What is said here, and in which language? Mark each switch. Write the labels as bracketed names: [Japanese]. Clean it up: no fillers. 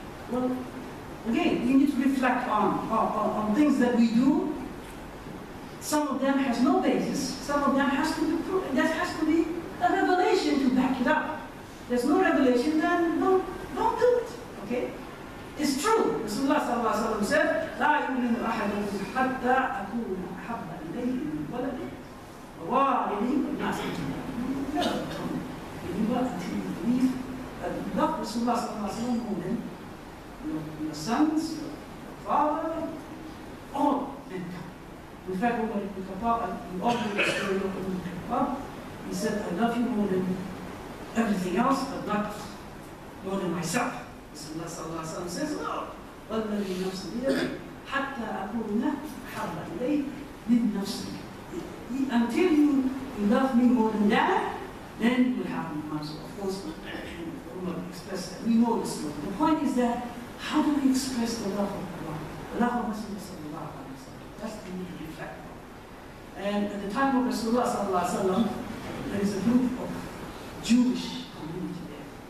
[English] Well, again, we need to reflect on things that we do. Some of them has no basis. Some of them has to be proven. That has to be a revelation to back it up. There's no revelation, then don't do it. Okay? It's true. [Arabic] Rasulullah sallallahu alayhi wa sallam said, لا يؤمن أحد حتى أكون أحب إليه من ولده ووالدي والناس أجمعين. [English] No. Until you believe that you love Rasulullah sallallahu alayhi wa sallam more than your sons, your father, all mankind. In fact, when Ibn Kathir, the author of the story of Ibn Kathir, he said, I love you more than everything else, but not more than myself. Rasulullah sallallahu alayhi wa sallam says, no, [Arabic] وَالَّذِي نَفْسِ بِيَدِهِ حَتَّى أَكُونَ حَبَّ إِلَيْهِ مِنْ نَفْسِهِ. [English] Until you love me more than that, then you will have me. So of course, Umar expressed that. We know this story. The point is that, how do we express the love of Allah? The love of Rasulullah sallallahu alayhi wa sallam. That's the need to reflect on. And at the time of Rasulullah sallallahu alayhi wa sallam, there is a group of Jewish community there.